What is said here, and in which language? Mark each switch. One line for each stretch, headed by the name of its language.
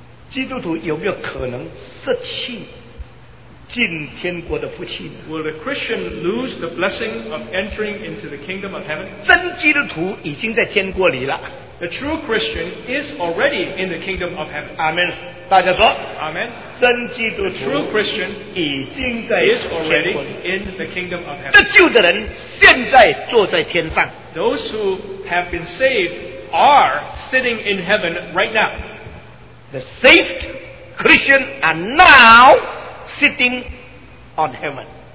Chinese: 基督徒有没有可能失去
English: Will the Christian lose the blessing of entering into the kingdom of heaven?
Chinese: 真基督徒已经在天国里了。
English: The true Christian is already in the kingdom of heaven.
Chinese: Amen. 大家说,
English: Amen.
Chinese: 真基督徒,
English: the true Christian is already in the kingdom of heaven.
Chinese: 得救的人现在坐在天上。
English: Those who have been saved are sitting in heaven right now. The saved Christian are now sitting on heaven.